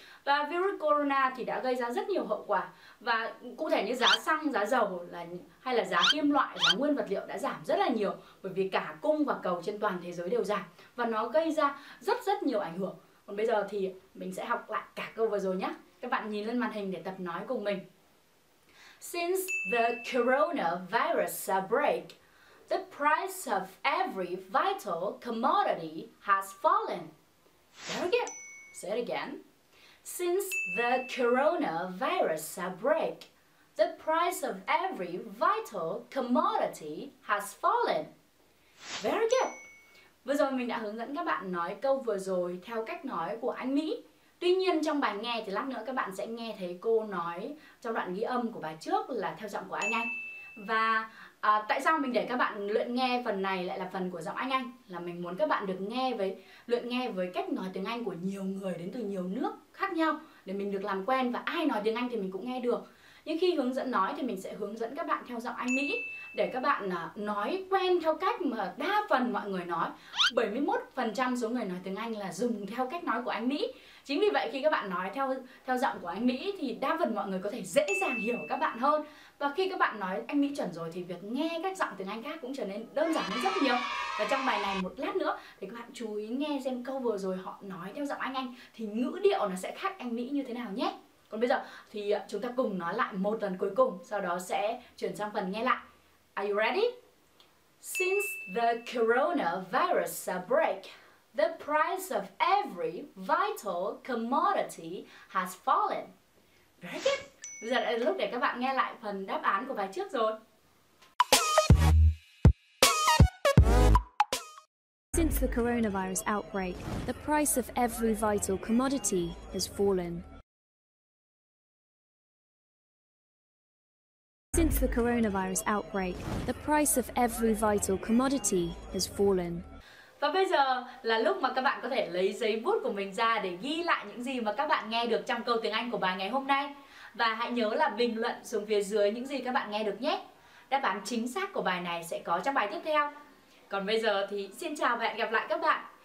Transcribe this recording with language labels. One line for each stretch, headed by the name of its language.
Vietnamese: Và virus corona thì đã gây ra rất nhiều hậu quả. Và cụ thể như giá xăng, giá dầu là, hay là giá kim loại, giá nguyên vật liệu đã giảm rất là nhiều. Bởi vì cả cung và cầu trên toàn thế giới đều giảm. Và nó gây ra rất rất nhiều ảnh hưởng. Còn bây giờ thì mình sẽ học lại cả câu vừa rồi nhé. Các bạn nhìn lên màn hình để tập nói cùng mình.
English: Since the coronavirus outbreak, the price of every vital commodity has fallen. There again. Say it again. Since the coronavirus outbreak, the price of every vital commodity has fallen. Very good.
Vietnamese: Vừa rồi mình đã hướng dẫn các bạn nói câu vừa rồi theo cách nói của Anh Mỹ. Tuy nhiên trong bài nghe thì lát nữa các bạn sẽ nghe thấy cô nói trong đoạn ghi âm của bài trước là theo giọng của Anh Anh. Và tại sao mình để các bạn luyện nghe phần này lại là phần của giọng Anh Anh? Là mình muốn các bạn được nghe với luyện nghe với cách nói tiếng Anh của nhiều người đến từ nhiều nước khác nhau, để mình được làm quen và ai nói tiếng Anh thì mình cũng nghe được. Nhưng khi hướng dẫn nói thì mình sẽ hướng dẫn các bạn theo giọng Anh Mỹ, để các bạn nói quen theo cách mà đa phần mọi người nói. 71% số người nói tiếng Anh là dùng theo cách nói của Anh Mỹ. Chính vì vậy khi các bạn nói theo giọng của Anh Mỹ thì đa phần mọi người có thể dễ dàng hiểu các bạn hơn. Và khi các bạn nói Anh Mỹ chuẩn rồi thì việc nghe các giọng tiếng Anh khác cũng trở nên đơn giản hơn rất nhiều. Và trong bài này một lát nữa thì các bạn chú ý nghe xem câu vừa rồi họ nói theo giọng Anh thì ngữ điệu nó sẽ khác Anh Mỹ như thế nào nhé. Còn bây giờ thì chúng ta cùng nói lại một lần cuối cùng, sau đó sẽ chuyển sang phần nghe lại.
English: Are you ready? Since the coronavirus outbreak, the price of every vital commodity has fallen. Very good.
Vietnamese: Bây giờ là lúc để các bạn nghe lại phần đáp án của bài trước rồi.
English: Since the coronavirus outbreak, the price of every vital commodity has fallen. Since the coronavirus outbreak, the price of every vital commodity has fallen.
Vietnamese: Và bây giờ là lúc mà các bạn có thể lấy giấy bút của mình ra để ghi lại những gì mà các bạn nghe được trong câu tiếng Anh của bài ngày hôm nay. Và hãy nhớ là bình luận xuống phía dưới những gì các bạn nghe được nhé. Đáp án chính xác của bài này sẽ có trong bài tiếp theo. Còn bây giờ thì xin chào và hẹn gặp lại các bạn.